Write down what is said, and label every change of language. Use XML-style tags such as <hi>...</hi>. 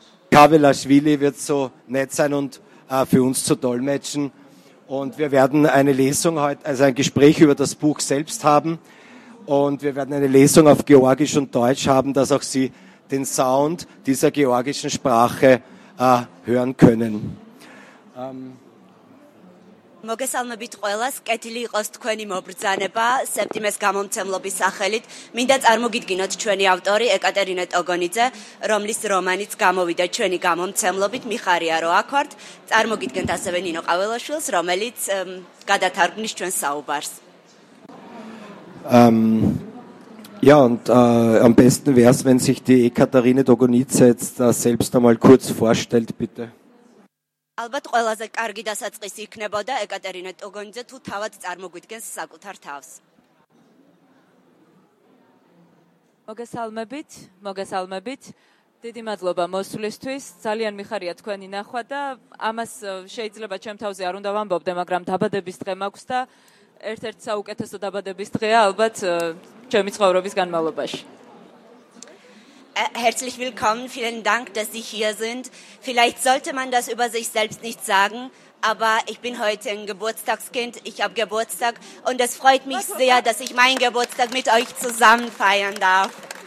<de>Kavelaschwili wird so nett sein und für uns zu dolmetschen. Und wir werden eine Lesung heute, also ein Gespräch über das Buch selbst haben. Und wir werden eine Lesung auf Georgisch und Deutsch haben, dass auch Sie den Sound dieser georgischen Sprache hören können.</de> <ka>მოგესალმებით ყველას, კეთილი იყოს თქვენი მობრძანება სექტემბრის გამომცემლობის სახელით. მინდა წარმოგიდგინოთ ჩვენი ავტორი ეკატერინე ტოგონიძე, რომლის რომანიც გამოვიდა ჩვენი გამომცემლობით. მიხარია რომ აქ ვართ. წარმოგიდგენთ ასევე ნინო ყაველაშვილს, რომელიც გადათარგმნის ჩვენ საუბარს.</ka> <de>Ja, und am besten wär's, wenn sich die Ekaterine Dogonice jetzt selbst einmal kurz vorstellt, bitte.</de> <ka>Albat ყველაზე კარგი დასაწყისი იქნებოდა ეკატერინე ტოგონიძე თუ თავად წარმოგვიდგენს საკუთარ თავს. მოგესალმებით, მოგესალმებით. დიდი მადლობა მოსვლისთვის. ძალიან მიხარია თქვენი ნახვა და ამას შეიძლება ჩემ თავზე არ უნდა ვამბობდე, მაგრამ დაბადების დღე მაქვს და ერთ-ერთ საუკეთესო დაბადების დღეა ალბათ ჩემი ცხოვრების განმავლობაში.</ka> <de>Herzlich willkommen, vielen Dank, dass Sie hier sind. Vielleicht sollte man das über sich selbst nicht sagen, aber ich bin heute ein Geburtstagskind, ich habe Geburtstag und es freut mich sehr, dass ich meinen Geburtstag mit euch zusammen feiern darf.</de>